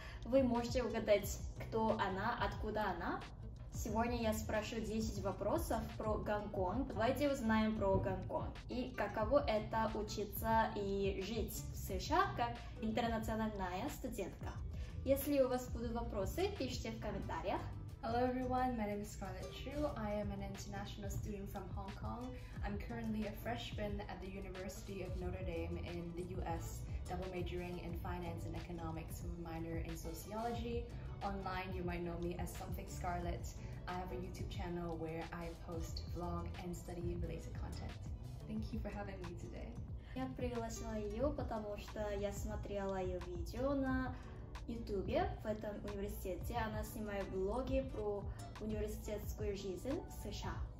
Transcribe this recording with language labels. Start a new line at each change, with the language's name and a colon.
Russian: Вы можете угадать, кто она, откуда она? Сегодня я спрошу 10 вопросов про Гонконг. Давайте узнаем про Гонконг. И каково это учиться и жить в США как интернациональная студентка. Если у вас будут вопросы, пишите в комментариях.
English: Hello everyone, my name is Scarlett Chu. I am an international student from Hong Kong. I'm currently a freshman at the University of Notre Dame in the US, double majoring in finance and economics with a minor in sociology. Online, you might know me as something Scarlett. I have a YouTube channel where I post vlog and study related content. Thank you for having me today.
Russian: Я пригласила её, потому что я смотрела её видео на YouTube в этом университете. Она снимает влоги про университетскую жизнь в США.